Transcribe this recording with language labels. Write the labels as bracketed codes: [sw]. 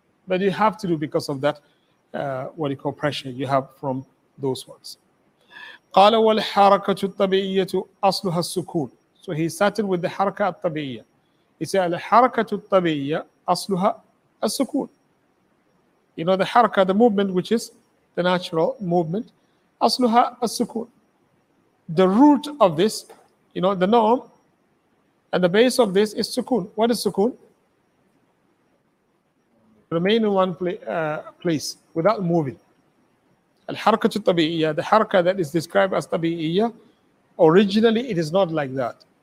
[en] But you have to do because of that, what you call pressure you have from those ones. [ar] قال والحركة الطبيعية أصلها السكون. [en] So he started with the حركة الطبيعية. He said [ar] الحركة الطبيعية أصلها السكون. [en] You know the حركة, the movement which is the natural movement, [ar] أصلها السكون. [en] The root of this, the norm and the base of this is سكون. What is سكون? Remain in one place without moving. الحركة الطبيعية, the حركة that is described as طبيعية, originally it is not like that.